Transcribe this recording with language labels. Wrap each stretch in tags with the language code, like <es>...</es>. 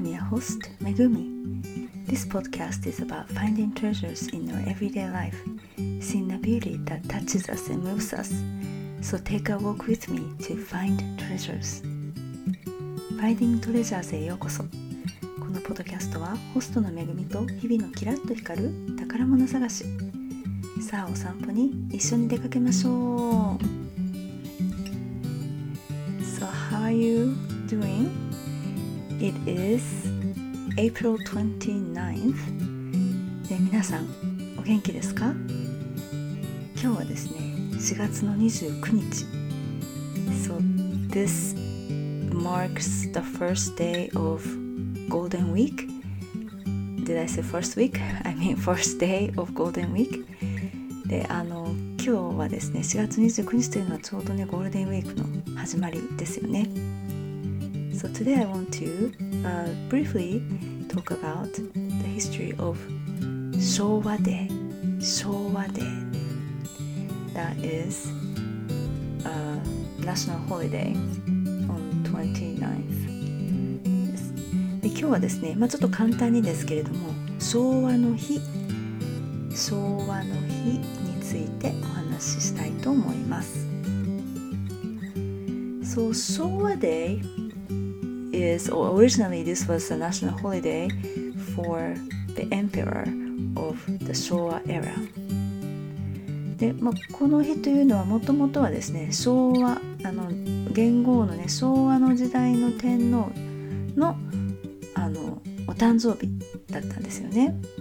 <en>podcast is about finding treasures in your everyday life, seeing the beauty that touches us and moves us. So take a walk with me to find treasures.</en> <ja>Finding Treasures へようこそ。このポッドキャストはホストのめぐみと日々のキラッと光る宝物探し。さあお散歩に一緒に出かけましょう。</ja> <en>So how are you doing? It is April 29th.</en> <ja>で皆さんお元気ですか？今日はですね、4月の29日。</ja> <en>So this marks the first day of Golden Week. Did I say first week? I mean first day of Golden Week.</en> <ja>で、今日はですね、4月29日というのはちょうどね、ゴールデンウィークの始まりですよね。</ja> <en>So today I want to、briefly talk about the history of 昭和デー。昭和デー。That is a national holiday on 29th.</en> <ja>で、今日はですね、まあ、ちょっと簡単にですけれども、昭和の日。昭和の日についてお話ししたいと思います。</ja> <en>So, Showa Day is, or originally this was a national holiday for the emperor of the Showa era.</en> <ja>で、まあ、この日というのはもともとはですね、昭和、元号のね、昭和の時代の天皇の、お誕生日だったんですよね。</ja>